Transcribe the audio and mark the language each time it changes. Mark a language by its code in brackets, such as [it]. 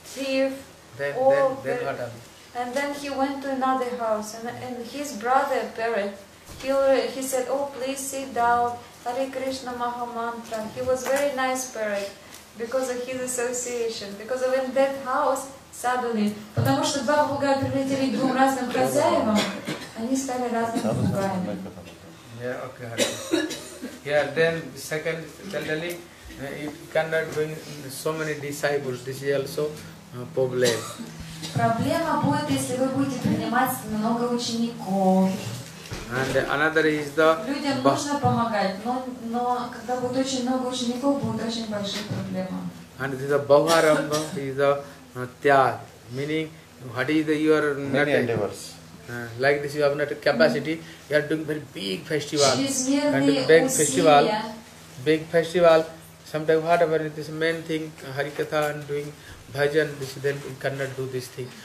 [en] And then he went to another house, and his brother parrot, he said, "Oh, please sit down, Hare Krishna Maha Mantra." He was very nice parrot because of his association. Because of in that house suddenly, [ru] потому что два попугая прилетели к двум разным хозяевам, они стали разными попугаями. [en] Yeah, okay. Yeah, then second, suddenly, it cannot bring so many disciples. This is also. Problem. [ru] Проблема будет, если вы будете принимать много учеников. [en] And another is the. [ru] Людям нужно помогать, но когда будет очень много учеников, будет очень большая проблема. [en] And this is the Bhavarambha is the tyag, meaning what is the your many endeavors. Like this, you have not capacity. You are doing very big festival. [ru] Чрезмерные усилия. [en] And big festival. Sometimes whatever this main thing, Harikatha and doing. Bhajan, this then you cannot do this thing.